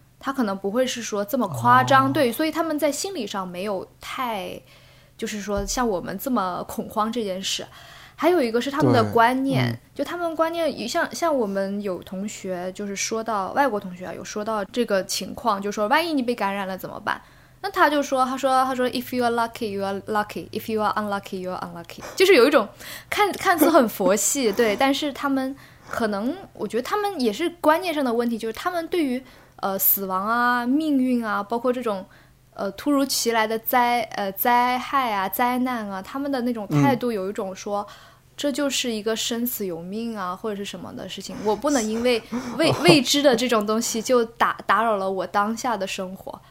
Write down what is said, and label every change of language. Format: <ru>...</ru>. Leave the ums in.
<zh>他可能不会是说这么夸张，oh. 对，所以他们在心理上没有太，就是说像我们这么恐慌这件事。还有一个是他们的观念，就他们观念，像像我们有同学就是说到外国同学啊，有说到这个情况，就是、说万一你被感染了怎么办？那他就说，他说，他说，</zh> <en>If you are lucky, you are lucky; if you are unlucky, you are unlucky。</en> <zh>就是有一种看看似很佛系， 对，但是他们可能我觉得他们也是观念上的问题，就是他们对于。呃，死亡啊，命运啊，包括这种呃突如其来的灾呃灾害啊、灾难啊，他们的那种态度有一种说，嗯、这就是一个生死由命啊，或者是什么的事情，我不能因为未未知的这种东西就打、哦、打扰了我当下的生活。</zh>